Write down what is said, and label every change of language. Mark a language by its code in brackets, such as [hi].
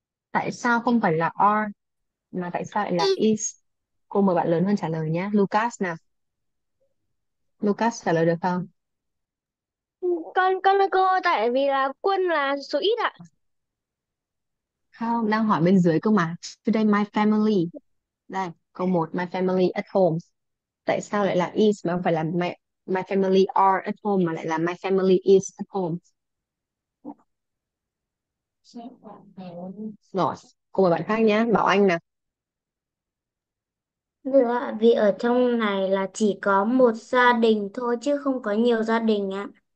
[vi] Tại sao không phải là are mà tại sao lại là is? Cô mời bạn lớn hơn trả lời nhé. Lucas nào. Lucas trả lời được không? Con cô tại vì là quân là số ít ạ. Không, đang hỏi bên dưới cơ mà. [en] Today my family. [vi] Đây, câu 1, [en] my family at home. [vi] Tại sao lại là is mà không phải là [en] my family are at home [vi] mà lại là [en] my family at home? [vi] Rồi, cùng với bạn khác nhé. Bảo Anh nè. Dạ, vì ở trong này là chỉ có một gia đình thôi chứ không có nhiều gia đình ạ.